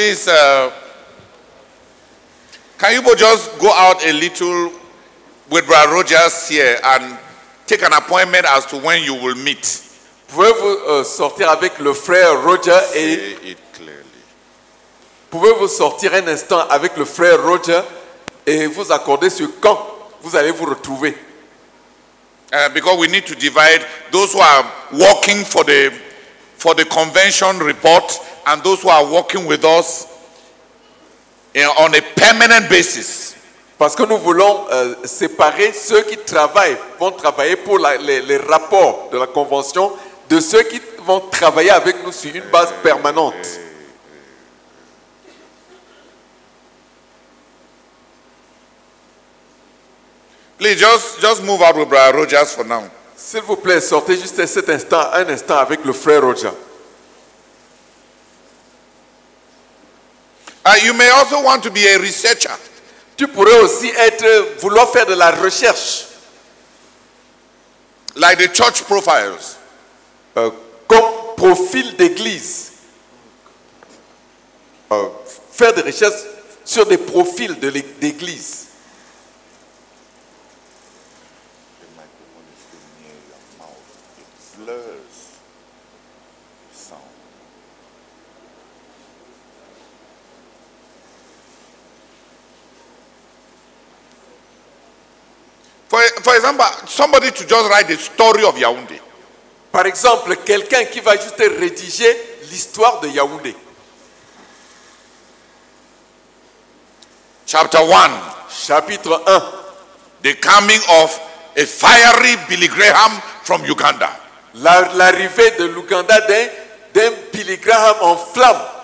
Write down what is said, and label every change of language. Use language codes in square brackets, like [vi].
[en] Please, can you just go out a little with Brother Rogers here and take an appointment as to when you will meet? [fr] Pouvez-vous sortir avec le frère Roger et... [en] Say it clearly. [fr] Pouvez-vous sortir un instant avec le frère Roger et vous accorder sur quand vous allez vous retrouver? [en] Because we need to divide those who are working for the convention report and those who are working with us on a permanent basis. [fr] Parce que nous voulons séparer ceux qui travaillent, vont travailler pour les rapports de la convention, de ceux qui vont travailler avec nous sur une base permanente. [en] Please, just move out with Brother Rogers for now. [fr] S'il vous plaît, sortez juste cet instant, un instant avec le frère Roger. [en] You may also want to be a researcher. [fr] Tu pourrais aussi vouloir faire de la recherche. [en] Like the church profiles. [fr] Comme profil d'église. Faire des recherches sur des profils d'église. [en] for example, somebody to just write the story of Yaoundé. [fr] Par exemple, quelqu'un qui va juste rédiger l'histoire de Yaoundé. [en] Chapter 1. [fr] Chapitre 1. [en] The coming of a fiery Billy Graham from Uganda. [fr] L'arrivée de l'Ouganda d'un Billy Graham en flamme.